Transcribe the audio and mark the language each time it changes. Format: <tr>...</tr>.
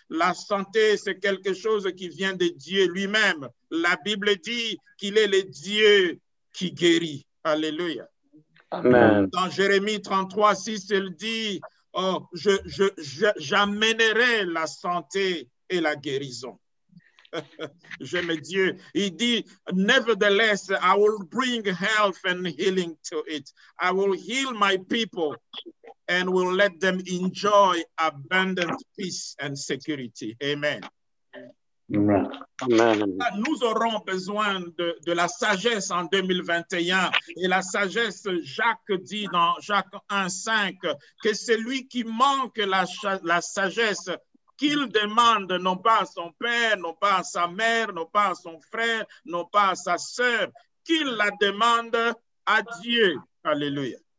<fr>La santé, c'est quelque chose qui vient de Dieu lui-même. La Bible dit qu'il est le Dieu qui guérit. Alléluia. Amen. Dans Jérémie 33, 6, il dit, oh, j'amènerai la santé et la guérison. J'aime Dieu. Il dit,</fr> <en>nevertheless, I will bring health and healing to it. I will heal my people and will let them enjoy abundant peace and security. Amen. Amen.</en> <fr>Nous aurons besoin de la sagesse en 2021. Et la sagesse, Jacques dit dans Jacques 1, 5, que celui qui manque la sagesse, qu'il demande non pas à son père, non pas à sa mère, non pas à son frère, non pas à sa sœur, qu'il la demande à Dieu. Alléluia.</fr>